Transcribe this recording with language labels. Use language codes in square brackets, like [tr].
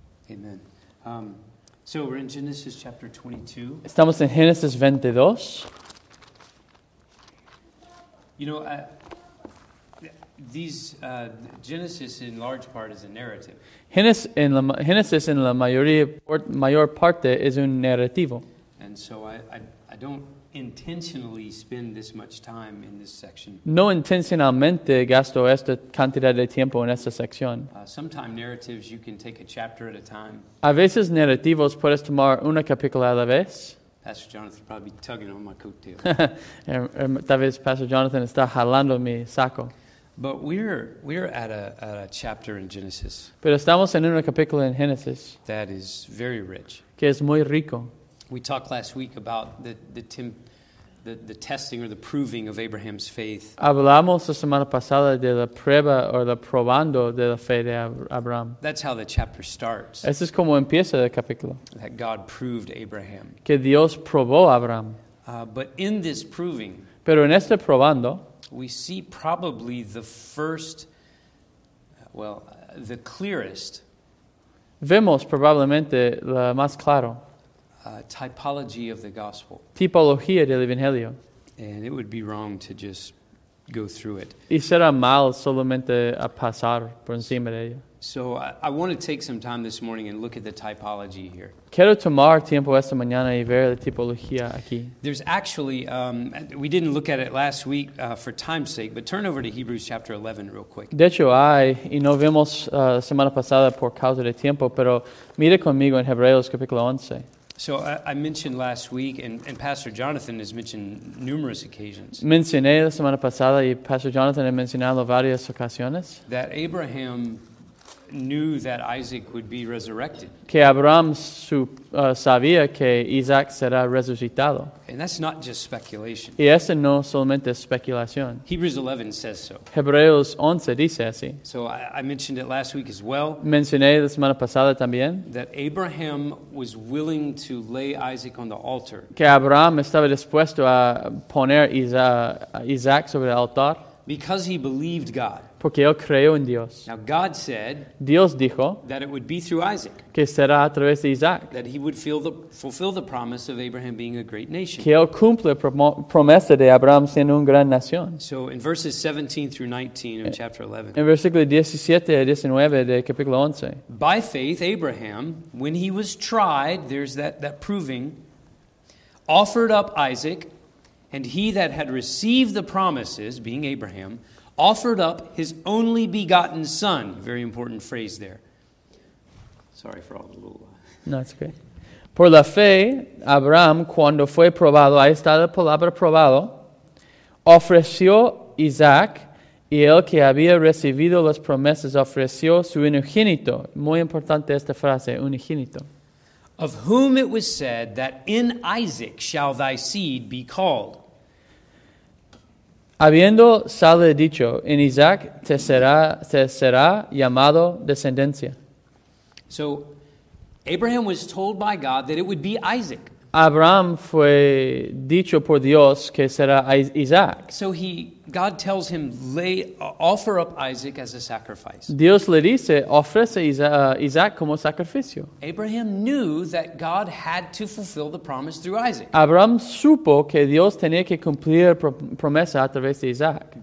[en] Amen. So we're in Genesis chapter 22. [es] Estamos en Génesis 22. [en] You know, Genesis in large part is a narrative. [es] Génesis en la mayor parte es un narrativo. [en] And so I don't intentionally spend this much time in this section. [es] No intencionalmente gasto esta cantidad de tiempo en esta sección. [en] Sometimes narratives you can take a chapter at a time. [es] A veces narrativos puedes tomar una capítulo a la vez. [en] Pastor Jonathan is probably tugging on my coattail. [es] Tal vez Pastor Jonathan está jalando mi saco. [en] But we're at a chapter in Genesis. [es] Pero estamos en un capítulo en Génesis. [en] That is very rich. [es] Que es muy rico. [en] We talked last week about the testing or the proving of Abraham's faith. [es] Hablamos la semana pasada de la prueba o la probando de la fe de Abraham. [en] That's how the chapter starts. [es] Eso es como empieza el capítulo. [en] That God proved Abraham. [es] Que Dios probó a Abraham. [en] But in this proving, [es] pero en este probando, [en] we see probably the first, the clearest. [es] Vemos probablemente la más claro. [en] Typology of the gospel. [es] Tipología del evangelio. [en] And it would be wrong to just go through it. [es] Y será mal solamente a pasar por encima de ello. [en] So I want to take some time this morning and look at the typology here. [es] Quiero tomar tiempo esta mañana y ver la tipología aquí. [en] There's actually, we didn't look at it last week for time's sake, but turn over to Hebrews chapter 11 real quick. [es] De hecho hay, y no vimos la semana pasada por causa de tiempo, pero mire conmigo en Hebreos capítulo 11. [en] So I mentioned last week, and Pastor Jonathan has mentioned numerous occasions. [es] Mencioné la semana pasada y Pastor Jonathan ha mencionado varias ocasiones. [en] That Abraham knew that Isaac would be resurrected. [es] Que Abraham sabía que Isaac será resucitado. [en] And that's not just speculation. [es] Y eso no solamente es especulación. [en] Hebrews 11 says so. [es] Hebreos 11 dice así. [en] So I mentioned it last week as well. [es] Mencioné la semana pasada también. [en] That Abraham was willing to lay Isaac on the altar. [es] Que Abraham estaba dispuesto a poner Isaac sobre el altar. [en] Because he believed God. [es] Porque él creyó en Dios. [en] Now God said, [es] Dios dijo, [en] that it would be through Isaac, [es] que será a través de Isaac, [en] that he would fulfill the promise of Abraham being a great nation. [es] Que él cumple promesa de Abraham siendo una gran nación. [en] So in verses 17 through 19 of chapter 11, [es] en versículo 17 a 19 de capítulo 11, [en] by faith Abraham, when he was tried, there's that proving, offered up Isaac, and he that had received the promises, being Abraham, offered up his only begotten son. Very important phrase there. Sorry for all the little... No, it's okay. [es] Por la fe, Abraham, cuando fue probado, ahí está la palabra probado, ofreció Isaac, y el que había recibido las promesas ofreció su unigénito. Muy importante esta frase, unigénito. [en] Of whom it was said that in Isaac shall thy seed be called. [es] Habiendo sale dicho, en Isaac te será llamado descendencia. [en] So, Abraham was told by God that it would be Isaac. [es] Abraham fue dicho por Dios que será Isaac. [en] So he God tells him, lay, offer up Isaac as a sacrifice. [es] Dios le dice, ofrece Isaac como sacrificio. [en] Abraham knew that God had to fulfill the promise through Isaac. [es] Abraham supo que Dios tenía que cumplir promesa a través de Isaac.